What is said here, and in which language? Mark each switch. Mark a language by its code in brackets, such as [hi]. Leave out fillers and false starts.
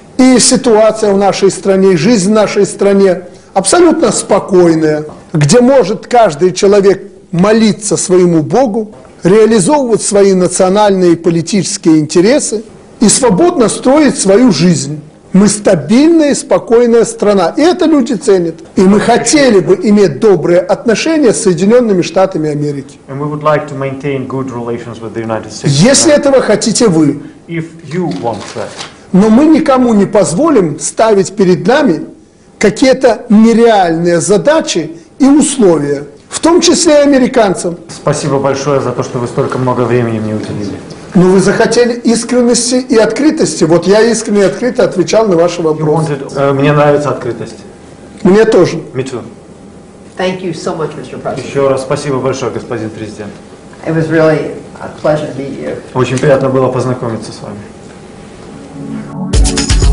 [ru] И ситуация в нашей стране, жизнь в нашей стране абсолютно спокойная, где может каждый человек молиться своему Богу, реализовывать свои национальные и политические интересы и свободно строить свою жизнь. Мы стабильная и спокойная страна, и это люди ценят. И мы хотели бы иметь добрые отношения с Соединенными Штатами Америки. [en] And we would like to maintain good relations with the United States. [ru] Если этого хотите вы. [en] If you want that. [ru] Но мы никому не позволим ставить перед нами какие-то нереальные задачи и условия, в том числе и американцам. Спасибо большое за то, что вы столько много времени мне уделили. Ну, вы захотели искренности и открытости. Вот я искренне и открыто отвечал на ваши вопросы. Мне нравится открытость. Мне тоже. [en] Me too. Thank you so much, Mr. President. [ru] Еще раз спасибо большое, господин президент. [en] It was really a pleasure to meet you. [ru] Очень приятно было познакомиться с вами.